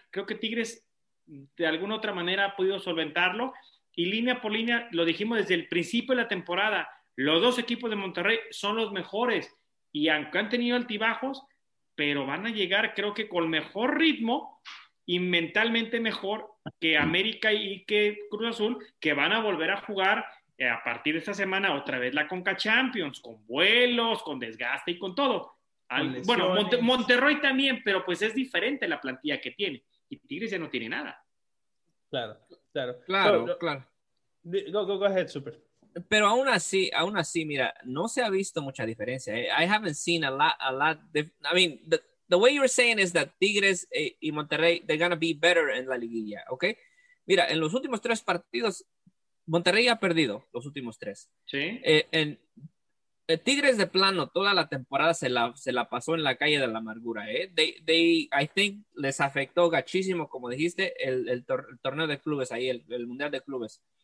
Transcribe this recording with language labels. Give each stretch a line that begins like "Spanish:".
Spanish: Creo que Tigres de alguna otra manera ha podido solventarlo, y línea por línea, lo dijimos desde el principio de la temporada, los dos equipos de Monterrey son los mejores, y aunque han tenido altibajos, pero van a llegar creo que con mejor ritmo y mentalmente mejor que América y que Cruz Azul, que van a volver a jugar a partir de esta semana otra vez la Conca Champions, con vuelos, con desgaste y con todo. Bueno, Monterrey también, pero pues es diferente la plantilla que tiene. Y Tigres ya no tiene nada. Claro.
English: Go ahead, Super.
Spanish: Pero aún así, mira, no se ha visto mucha diferencia.
English: I haven't seen a lot. The way you're saying is that Tigres y Monterrey, they're going to be better in la liguilla, okay?
Spanish: Mira, en los últimos tres partidos, Monterrey ha perdido los últimos tres. Sí. En Tigres de plano, toda la temporada se la pasó en la calle de la amargura, ¿eh?
English: I think
Spanish: les afectó gachísimo, como dijiste, el torneo de clubes ahí, el mundial de clubes.